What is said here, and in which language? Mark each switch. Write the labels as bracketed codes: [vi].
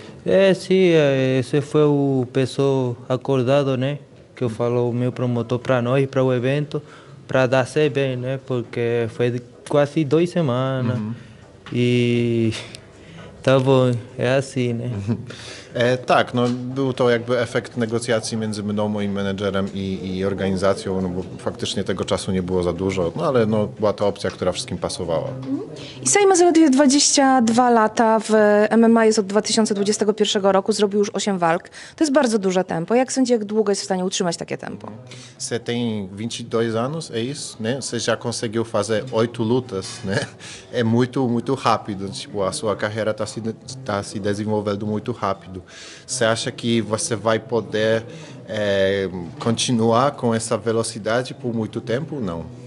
[pt] Esse foi o peso acordado, né, que eu falo o meu promotor para nós, para o evento, para dar ser bem, né, porque foi quase 2 semanas. [pl] I to było jasne, nie? Tak, no był to jakby efekt negocjacji między mną, moim menedżerem i organizacją, no bo faktycznie tego czasu nie było za dużo, no ale no, była to opcja, która wszystkim pasowała. Isai ma zaledwie 22 lata, w MMA jest od 2021 roku, zrobił już 8 walk. To jest bardzo duże tempo. Jak sądzisz, jak długo jest w stanie utrzymać takie tempo? [pt] Você tem 22 anos, é isso, né? Você já conseguiu fazer 8 lutas, né? É muito, muito rápido, tipo, a sua carreira tá se desenvolvendo muito rápido. Você acha que você vai poder continuar com essa velocidade por muito tempo ou não?